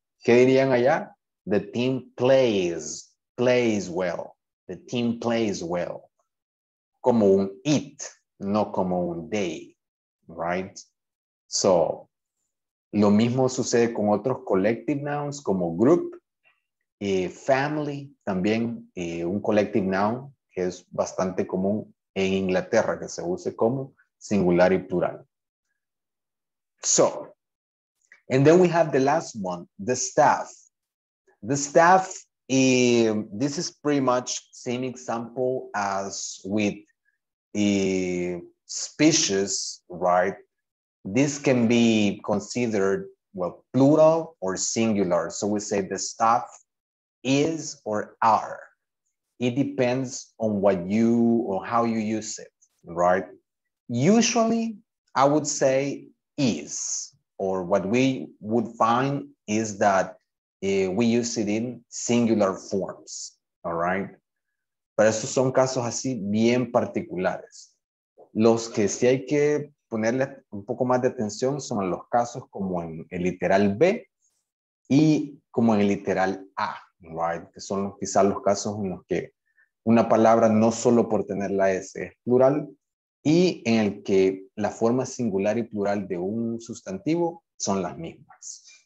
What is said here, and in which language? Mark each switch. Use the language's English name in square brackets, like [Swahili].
[Spanish] ¿Qué dirían allá? [English] The team plays well, the team plays well, [Spanish] como un [English] it, [Spanish] no como un [English] they, right? [Spanish] So, lo mismo sucede con otros collective nouns, como group, family, también un collective noun, que es bastante común en Inglaterra, que se use como singular y plural. [English] So, and then we have the last one, the staff. The staff, this is pretty much same example as with a species, right? This can be considered, well, plural or singular. So we say the staff is or are. It depends on what you or how you use it, right? Usually, I would say is, or what we would find is that we use it in singular forms, all right? [Spanish] Pero estos son casos así bien particulares. Los que sí hay que ponerle un poco más de atención son los casos como en el literal B y como en el literal A, right? Que son quizás los casos en los que una palabra no solo por tener la S es plural y en el que la forma singular y plural de un sustantivo son las mismas.